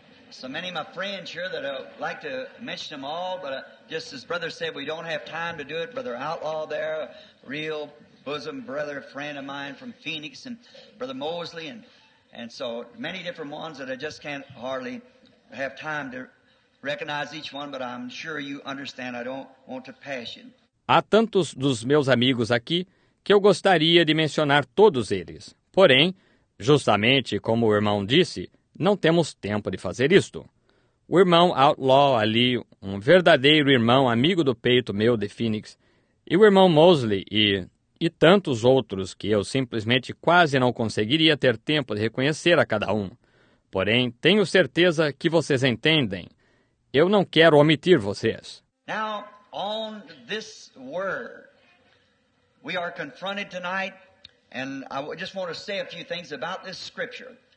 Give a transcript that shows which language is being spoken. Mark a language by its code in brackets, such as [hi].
[en] So many of my friends here that I'd like to mention them all, but just as brother said, we don't have time to do it. Brother Outlaw there, real bosom brother, friend of mine from Phoenix, and brother Mosley, and so many different ones that I just can't hardly have time to recognize each one, but I'm sure you understand I don't want to pass you. [pt] Há tantos dos meus amigos aqui que eu gostaria de mencionar todos eles. Porém, justamente como o irmão disse, não temos tempo de fazer isto. O irmão Outlaw ali, um verdadeiro irmão amigo do peito meu de Phoenix, e o irmão Mosley e tantos outros que eu simplesmente quase não conseguiria ter tempo de reconhecer a cada um. Porém, tenho certeza que vocês entendem. Eu não quero omitir vocês. [en] Now, on this word, we are confronted tonight, and I just want to say a few things about this scripture.